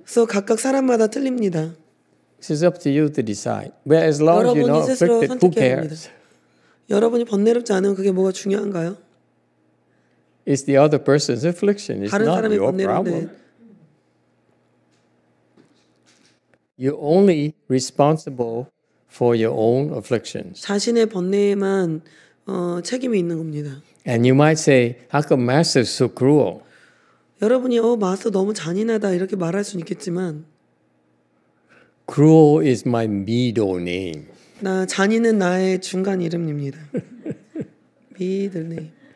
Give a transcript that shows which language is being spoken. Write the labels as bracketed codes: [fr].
[ko] So 각각 사람마다 틀립니다. [en] It's up to you to decide. But as long as you're not afflicted, who cares? [ko] 여러분이 번뇌롭지 않으면 그게 뭐가 중요한가요? [en] It's the other person's affliction. It's not your problem. You're only responsible for your own afflictions. [ko] 자신의 번뇌에만 책임이 있는 겁니다. [en] And you might say, how come master is so cruel? [ko] 여러분이 마스터 너무 잔인하다 이렇게 말할 수 있겠지만 [en] Cruel is my middle name. [ko] 나 잔인은 나의 중간 이름입니다. [en] middle name.